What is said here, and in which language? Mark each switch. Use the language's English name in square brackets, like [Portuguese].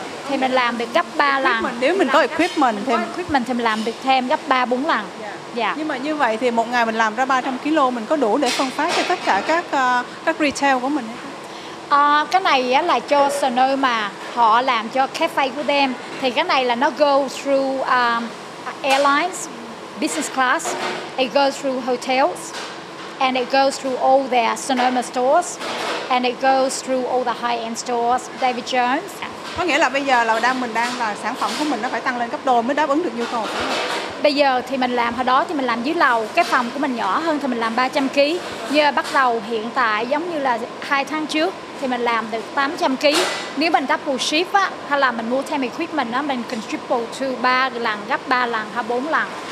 [Vietnamese] Thì mình làm được gấp 3 lần. Nếu mình có equipment thì mình làm được thêm gấp 3-4 lần. Yeah. Nhưng mà như vậy thì một ngày mình làm ra 300kg, mình có đủ để phân phát cho tất cả các retail của mình hay không? Cái này là cho Sonoma, họ làm cho cafe của them. [English] Thì cái này là nó go through airlines, business class, it goes through hotels, and it goes through all their Sonoma stores, and it goes through all the high-end stores, David Jones. [Vietnamese] Có nghĩa là bây giờ là mình đang là sản phẩm của mình nó phải tăng lên gấp đôi mới đáp ứng được nhu cầu. Bây giờ thì mình làm, hồi đó thì mình làm dưới lầu, cái phòng của mình nhỏ hơn thì mình làm 300kg. Giờ bắt đầu hiện tại giống như là 2 tháng trước thì mình làm được 800kg. Nếu mình double shift á, hay là mình mua thêm equipment á, mình can triple to 3 lần, gấp 3 lần hay 4 lần.